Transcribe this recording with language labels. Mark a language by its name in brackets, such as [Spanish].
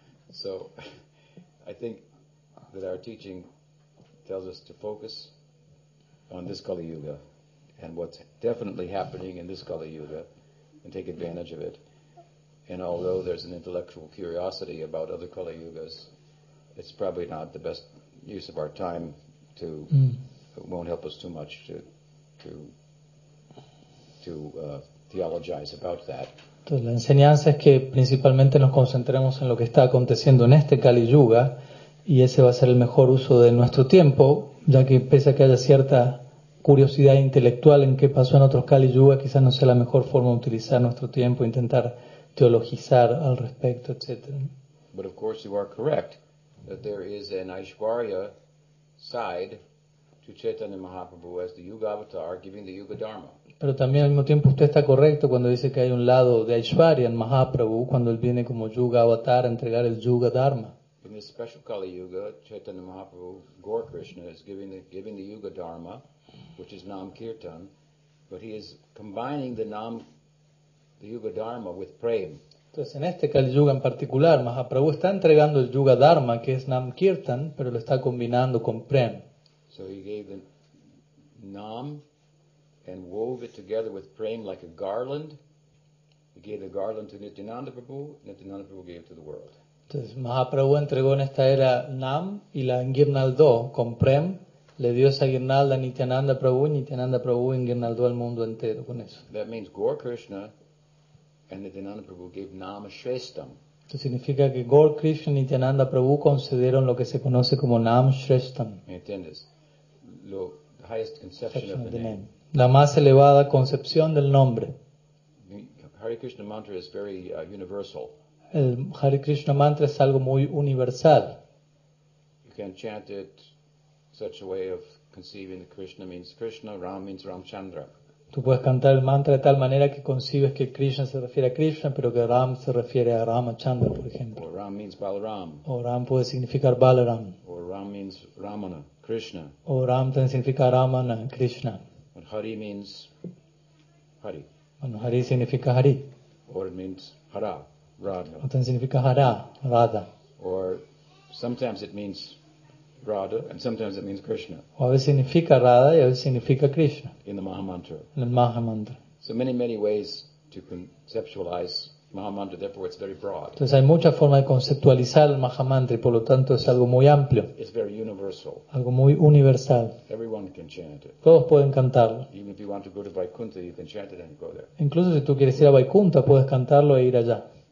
[English] So I think that our teaching tells us to focus on this Kali Yuga and what's definitely happening in this Kali Yuga and take advantage of it. And although there's an intellectual curiosity about other Kali Yugas, it's probably not the best use of our time to, it won't help us too much to theologize about that. [Spanish] Entonces, la enseñanza es que principalmente nos concentremos en lo que está aconteciendo en este Kali Yuga. Y ese va a ser el mejor uso de nuestro tiempo, ya que pese a que haya cierta curiosidad intelectual en qué pasó en otros Kali Yuga, quizás no sea la mejor forma de utilizar nuestro tiempo, intentar teologizar al respecto, etc. [English] But of course you are correct that there is an Aishwarya side to Chaitanya Mahaprabhu as the Yuga Avatar giving the Yuga Dharma. [Spanish] Pero también al mismo tiempo usted está correcto cuando dice que hay un lado de Aishwarya en Mahaprabhu cuando él viene como Yuga Avatar a entregar el Yuga Dharma. [English] In this special Kali Yuga, Chaitanya Mahaprabhu, Gaur Krishna, is giving the Yuga Dharma, which is Nam Kirtan, but he is combining the Yuga Dharma with Prem. [Spanish] Entonces, en este Kali Yuga en particular, Mahaprabhu está entregando el Yuga Dharma, que es Nam Kirtan, pero lo está combinando con Prem. [English] So he gave the Nam and wove it together with Prem like a garland. He gave the garland to Nityananda Prabhu, Nityananda Prabhu gave it to the world. [Spanish] Entonces Mahaprabhu entregó en esta era Nam y la Guirnaldó con Prem, le dio esa guirnalda a Nityananda Prabhu, Nityananda Prabhu enguirnaldó al mundo entero con eso. [English] That means Gaur Krishna and Nityananda Prabhu gave Nam a Shrestham. [Spanish] Esto significa que Gaur Krishna y Nityananda Prabhu concedieron lo que se conoce como Nam Shrestham. ¿Me entiendes? Lo, [English] the highest conception of the name. [Spanish] La más elevada concepción del nombre. [English] Hare Krishna mantra is very universal. [Spanish] El Hare Krishna mantra es algo muy universal. [English] You can chant it such a way of conceiving that Krishna means Krishna, Ram means Ramchandra. [Spanish] Tú puedes cantar el mantra de tal manera que concibes que Krishna se refiere a Krishna, pero que Ram se refiere a Ramachandra, por ejemplo. [English] Or Ram means Balaram. [Spanish] O Ram puede significar Balaram. [English] Or Ram means Ramana, Krishna. [Spanish] O Ram también significa Ramana, Krishna. [English] And Hari means Hari. [Spanish] Bueno, Hari significa Hari. [English] Or it means Hara. Radha. [Spanish] Entonces significa Hara, Radha. [English] Or sometimes it means Radha and sometimes it means Krishna. [Spanish] O a veces significa Radha y a veces significa Krishna. [English] In the Mahamantra. [Spanish] En el Mahamantra. [English] So many, many ways to conceptualize Mahamantra, therefore it's very broad. [Spanish] Entonces hay muchas formas de conceptualizar el Mahamantra y por lo tanto es algo muy amplio. [English] It's very universal. [Spanish] Algo muy universal. [English] Everyone can chant it. [Spanish] Todos pueden cantarlo. [English] Even if you want to go to Vaikuntha, you can chant it and go there. [Spanish] Incluso si tú quieres ir a Vaikuntha, puedes cantarlo e ir allá.